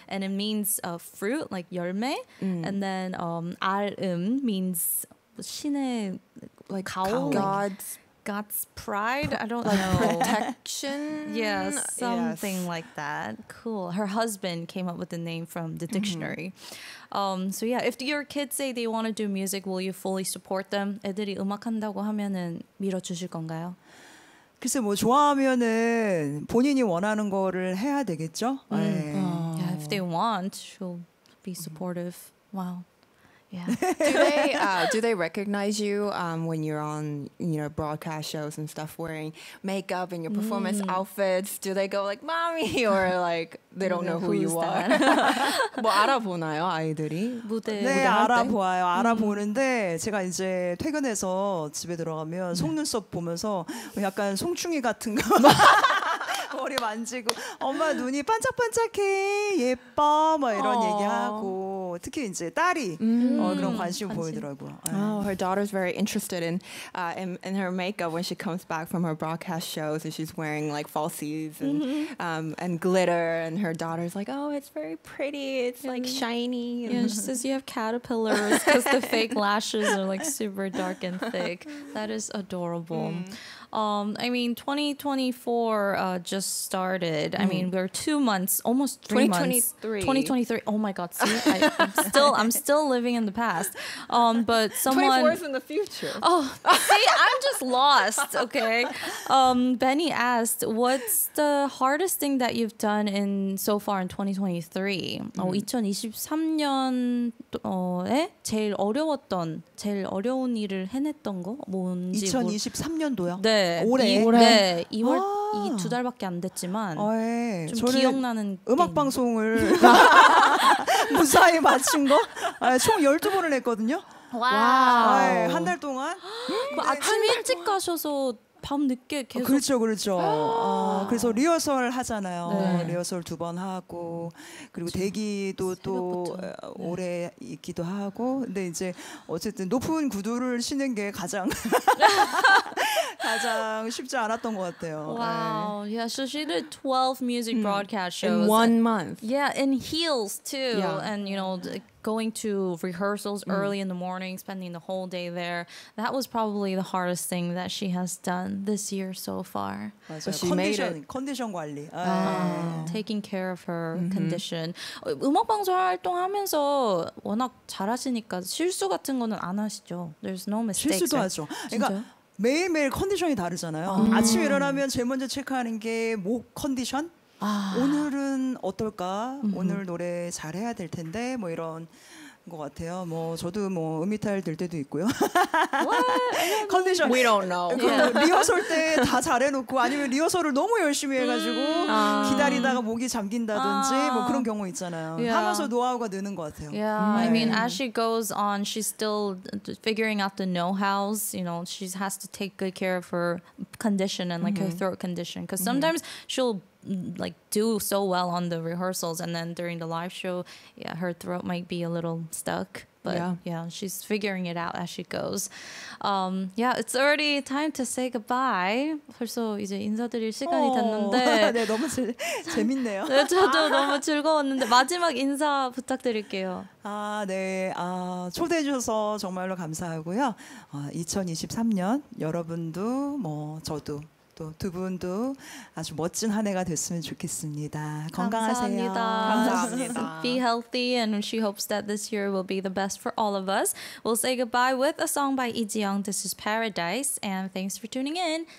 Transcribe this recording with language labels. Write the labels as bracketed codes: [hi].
[en] And it means fruit, like 열매. And then [ko] 알음 [en] means [ko] 신의 [en] like [ko] 가오. [en] God's pride? I don't know. Protection? Yes, something like that. Cool. Her husband came up with the name from the dictionary. So yeah, if your kids say they want to do music, will you fully support them? [ko] 애들이 음악한다고 하면은 밀어주실 건가요? 글쎄 뭐 좋아하면은 본인이 원하는 거를 해야 되겠죠? [en] Yeah, if they want, she'll be supportive. Wow. Yeah. Do they recognize you when you're on, you know, broadcast shows and stuff wearing makeup and your performance outfits? Do they go like, "Mommy," or like they don't know who you are? [ko] 뭐 알아보나요, 아이들이? 무대. 네, 알아보아요. 알아보는데 제가 이제 퇴근해서 집에 들어가면 속눈썹 보면서 약간 송충이 같은 거 머리 만지고 엄마 눈이 반짝반짝해 예뻐 뭐 이런 얘기하고 특히 이제 딸이 그런 관심을 보이더라고요. [en] Her daughter is very interested in her makeup when she comes back from her broadcast shows and she's wearing like falsies and and glitter and her daughter's like oh it's very pretty it's like shiny. Yeah, she says you have caterpillars because the fake lashes are like super dark and thick. That is adorable. I mean, 2024 just started. I mean, we're 2 months, almost 3 months. 2023. Oh my God! See, I'm still living in the past. But someone 24 is in the future. Oh, see, I'm just lost. Okay. Benny asked, "What's the hardest thing that you've done in so far in 2023?" [ko] 2023년에 제일 어려웠던 제일 어려운 일을 해냈던 거 뭔지 2023년도요? 네. 올해 네, 2월 이 두 달밖에 안 됐지만 좀 기억나는 음악 게임. 방송을 무사히 마친 거 총 12번을 했거든요. 와우. 한 달 동안 아침 일찍 가셔서 밤 늦게 계속 그렇죠. 그래서 리허설 하잖아요. 네. 리허설 두 번 하고 그리고 대기도 또 오래 있기도 하고 근데 이제 어쨌든 높은 구두를 신는 게 가장 쉽지 않았던 것 같아요. [en] Wow. [ko] 네. [en] Yeah, so she did 12 music broadcast shows in one month. Yeah, in heels too. Yeah. And you know, going to rehearsals early in the morning, spending the whole day there. That was probably the hardest thing that she has done this year so far. But she condition, made it. [ko] 컨디션 관리. [en] Taking care of her condition. [ko] 음악 방송 활동하면서 워낙 잘하시니까 실수 같은 거는 안 하시죠? [en] There's no mistakes. [ko] 실수도 [en] right? [ko] 하죠. 그러니까 매일매일 컨디션이 다르잖아요. 아침에 일어나면 제일 먼저 체크하는 게 목 컨디션? 아. 오늘은 어떨까? 오늘 노래 잘해야 될 텐데 뭐 이런 것 같아요. 뭐 저도 뭐 음이탈 될 때도 있고요. [en] What? [ko] 컨디션. [en] We don't know. [ko] 그 리허설 때 다 잘해놓고 아니면 리허설을 너무 열심히 해가지고 기다리다가 목이 잠긴다든지 뭐 그런 경우 있잖아요. [en] Yeah. [ko] 하면서 노하우가 느는 것 같아요. [en] Yeah. I mean, as she goes on, she's still figuring out the know-hows. You know, she has to take good care of her condition and like her throat condition. Because sometimes she'll like do so well on the rehearsals and then during the live show yeah her throat might be a little stuck but yeah she's figuring it out as she goes yeah it's already time to say goodbye [ko] 벌써 이제 인사드릴 시간이 됐는데 네 너무 재밌네요 네 저도 너무 즐거웠는데 마지막 인사 부탁드릴게요 아 네 아 초대해 주셔서 정말로 감사하고요 아 2023년 여러분도 뭐 저도 또 두 분도 아주 멋진 한 해가 됐으면 좋겠습니다. 건강하세요. 감사합니다. 감사합니다. [en] Be healthy and she hopes that this year will be the best for all of us. We'll say goodbye with a song by Ijiyoung. This is Paradise and thanks for tuning in.